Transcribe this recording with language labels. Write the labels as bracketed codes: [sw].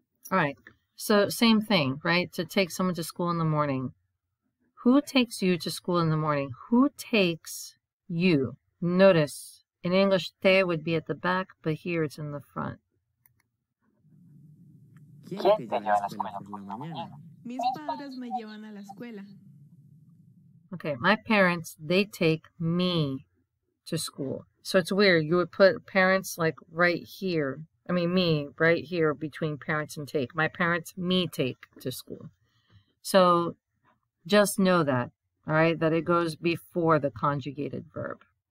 [en] All right. So same thing, right? To take someone to school in the morning. Who takes you to school in the morning? Who takes you? Notice in English, te would be at the back, but here it's in the front. [es] ¿Quién te lleva a la escuela por la mañana? Mis padres me llevan a la escuela. [en] Okay, my parents, they take me to school. So it's weird. You would put parents like right here. I mean, me right here between parents and take. My parents, me take to school. So just know that, all right, that it goes before the conjugated verb.